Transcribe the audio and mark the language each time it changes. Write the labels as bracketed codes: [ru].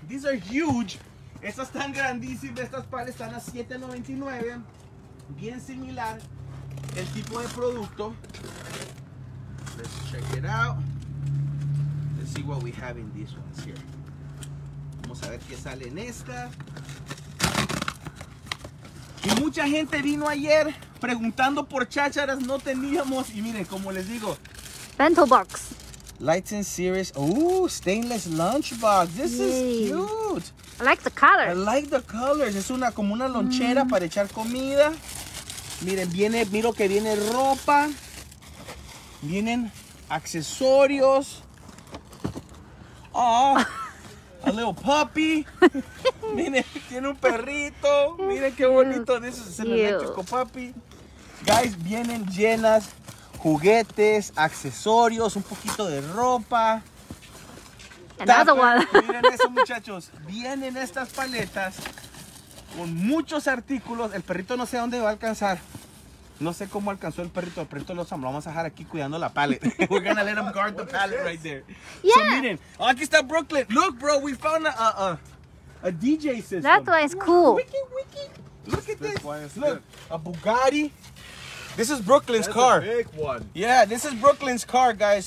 [en] These are huge. [es] Estas están grandísimas. Estas pares están a $799. Bien similar. El tipo de producto. [en] Let's check it out. Let's see what we have in these ones here. [es] Vamos a ver qué sale en esta. Y mucha gente vino ayer preguntando por chácharas. No teníamos. Y miren, como les digo. [en] Bento box. Lights and series. Ooh, stainless lunchbox. This Yay. Is cute. I like the colors. I like the colors. [es] Es una como una lonchera mm. para echar comida. Miren, viene, miro que viene ropa. Vienen accesorios. [en] Oh, a little puppy. [es] Miren, tiene un perrito. Miren qué bonito. [en] This is an electric puppy. [es] Guys, vienen llenas juguetes, accesorios, un poquito de ropa. [en] Another Tapa. One. [es] Miren eso, muchachos. Vienen estas paletas con muchos artículos. El perrito no sé dónde va a alcanzar. No sé cómo alcanzó el perrito. El perrito lo vamos a dejar aquí cuidando la palette. [en] We're gonna let him guard the palette right there. Yeah. So [es] miren, oh, aquí está Brooklyn. [en] Look, bro, we found a DJ system. That one is cool. Wiki, wiki. Look at this. Look, good. A Bugatti. This is Brooklyn's That's car. A big one. Yeah, this is Brooklyn's car, guys.